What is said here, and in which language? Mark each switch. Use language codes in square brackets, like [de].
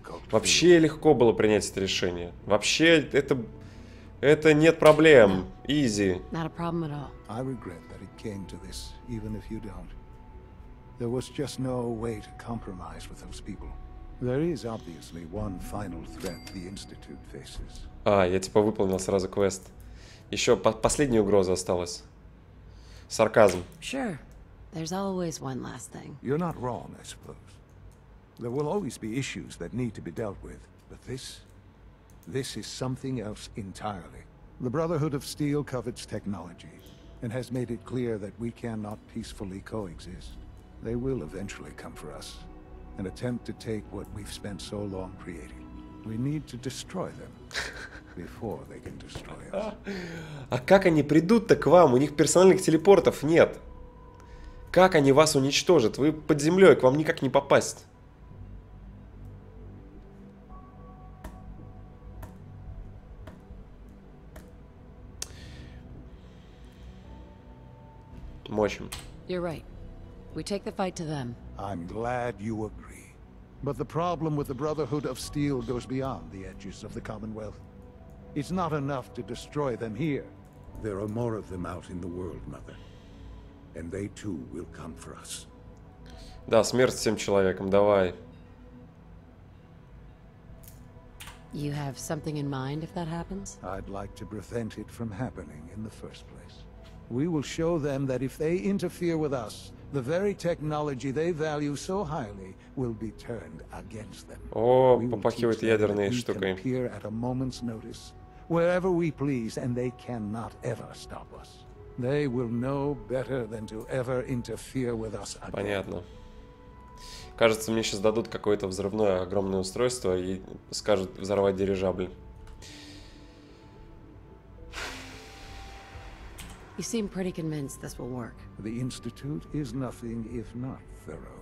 [ru] Вообще легко было принять это решение. Вообще, это нет проблем. [en] Easy. Not a problem at all. I regret that it came to this, even if you don't. There was just no way to compromise with those people. There is obviously one final threat the Institute faces. [ru] А, я типа выполнил сразу квест. Еще последняя угроза осталась. Сарказм. [en] Sure. There's always one last thing. You're not wrong, I suppose. There will always be issues that need to be dealt with, but this is something else entirely. The Brotherhood of Steel covets technology and has made it clear that we cannot peacefully coexist. They will eventually come for us and attempt to take what we've spent so long creating. We need to destroy them before they can destroy us. [ru] А как они придут-то к вам? У них персональных телепортов нет. Как они вас уничтожат? Вы под землей, к вам никак не попасть. Мочим. [en] You're right. We take the fight to them. I'm glad you agree. But the problem with the Brotherhood of Steel goes beyond the edges of the Commonwealth. It's not enough to destroy them here. There are more of them out in the world, Mother. And they too will come for us. [ru] Да, смерть всем человекам, давай. [en] You have something in mind if that happens? I'd like to prevent it from happening in the first place. We will show them that if they interfere with us, the very technology they value so highly will be turned against them. [ru] О, попахивает ядерной штукой. [en] We can appear at a moment's notice, wherever we please, and they cannot ever stop us. They will know better than to ever interfere with us again. [ru] Понятно. Кажется, мне сейчас дадут какое-то взрывное огромное устройство и скажут взорвать дирижабль. [en] You seem pretty convinced this will work. The Institute is nothing if not thorough.